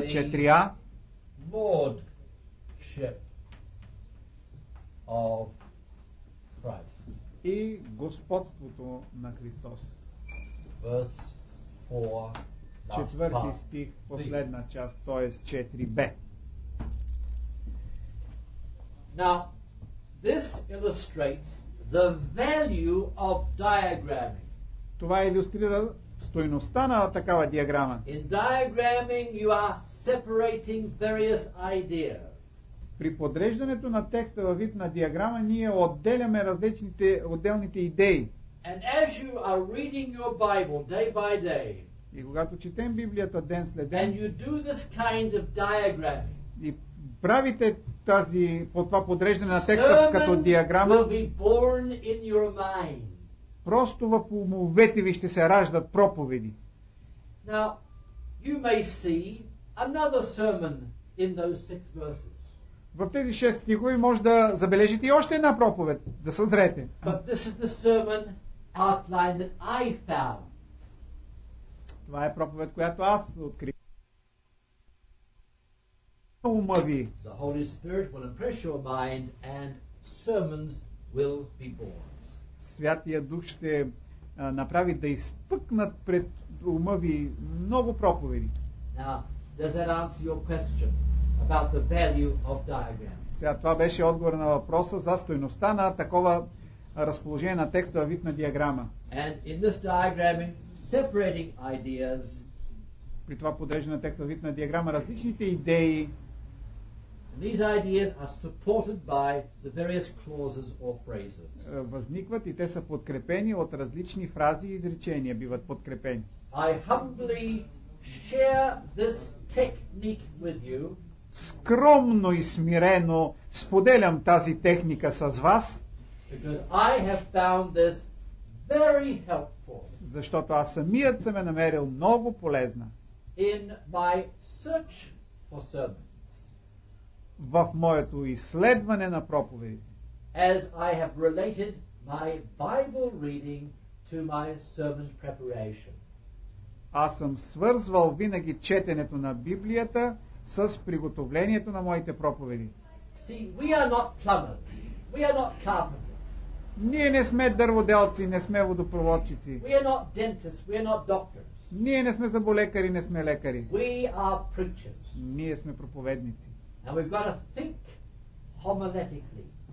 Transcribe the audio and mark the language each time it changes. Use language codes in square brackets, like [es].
[en] 4a. Lordship of Christ. [bg] И господството на Христос. [en] Verse [bg] 4, четвърти стих, последна част, т.е. [en] 4b. Now, this illustrates the value of diagramming. [bg] Това илюстрира стойността на такава диаграма. [en] In diagramming you are separating various ideas. [bg] При подреждането на текста във вид на диаграма ние отделяме отделните идеи. [en] And as you are reading your Bible day by day, [bg] и когато четем Библията ден след ден, [en] and you do this kind of diagram, [bg] и правите това подреждане на текста като диаграма, [en] will be born in your mind. [bg] Просто в умовете ви ще се раждат проповеди. [en] Now, you may see another sermon in those six verses. [bg] В тези шест стихови може да забележите и още една проповед, да съзрете. [en] But this is the sermon outline that I found. [bg] Това е проповед, която аз открих. Ума ви. [en] The Holy Spirit will impress your mind and sermons will be born. [bg] Святия Дух ще направи да изпъкнат пред ума ви много проповеди. [en] Now, does that answer your question about the value of diagram? [bg] Сега това беше отговор на въпроса за стойността на такова разположение на текста във вид на диаграма. [en] And in this diagramming, separating ideas. [bg] При това подреждане на текста вид на диаграма различните идеи. [en] And these ideas are supported by the various clauses or phrases. [bg] Възникват и те са подкрепени от различни фрази и изречения, биват подкрепени. [en] I humbly share this technique with you. [bg] Скромно и смирено споделям тази техника с вас. [en] Because I have found this very helpful. [bg] Защото аз самият съм я намерил много полезна. [en] in my search for sermons. [bg] В моето изследване на проповедите. [en] As I have related my Bible reading to my sermon preparation. [bg] Аз съм свързвал винаги четенето на Библията с приготовлението на моите проповеди. [en] See, we are not plumbers. We are not carpenters. [bg] Ние не сме дърводелци, не сме водопроводчици. [en] We are not dentists, we are not doctors. [bg] Ние не сме зъболекари, не сме лекари. [en] We are preachers. [bg] Ние сме проповедници. [en] And we've got to think homiletically.